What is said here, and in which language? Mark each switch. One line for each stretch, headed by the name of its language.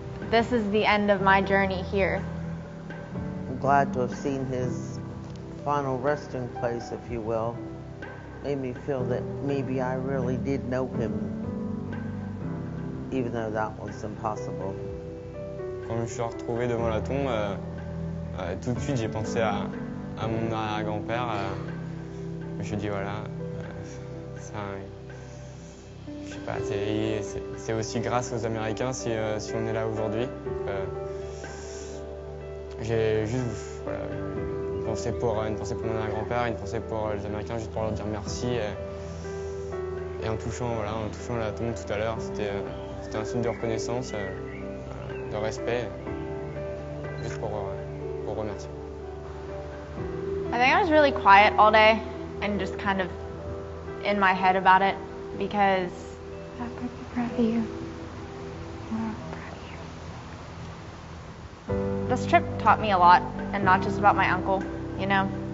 English: This is the end of my journey here. I'm glad to have seen his final resting place, if you will. made me feel that maybe I really did know him, even though that was impossible.
French: Quand je me suis retrouvé devant la tombe, tout de suite j'ai pensé à mon arrière-grand-père. Je dis voilà, je sais pas, c'est aussi grâce aux Américains si on est là aujourd'hui. J'ai juste voilà, une pensée pour mon arrière-grand-père, une pensée pour les Américains, juste pour leur dire merci. Et en touchant, voilà, en touchant la tombe tout à l'heure, c'était un signe de reconnaissance, de respect, juste pour remercier.
English: I think I was really quiet all day and just kind of in my head about it because I'm proud of you. I'm proud of you. This trip taught me a lot, and not just about my uncle, you know.